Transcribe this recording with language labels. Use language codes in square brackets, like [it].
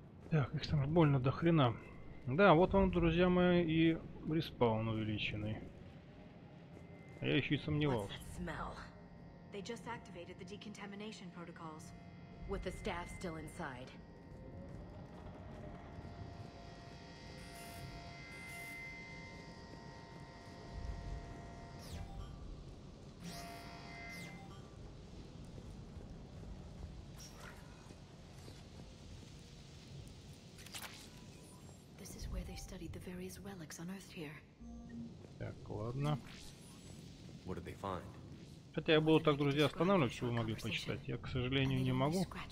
[ru] Так, их там больно до хрена. Да, вот вам, друзья мои, и респаун увеличенный. А я еще и сомневался. [en] They just activated the decontamination protocols, with the staff still inside. This is where they studied the various relics unearthed here. [ru] Так, ладно. [en] What did they find? [ru] Хотя я буду так, друзья, останавливать, чтобы вы могли почитать. Я, к сожалению, не могу.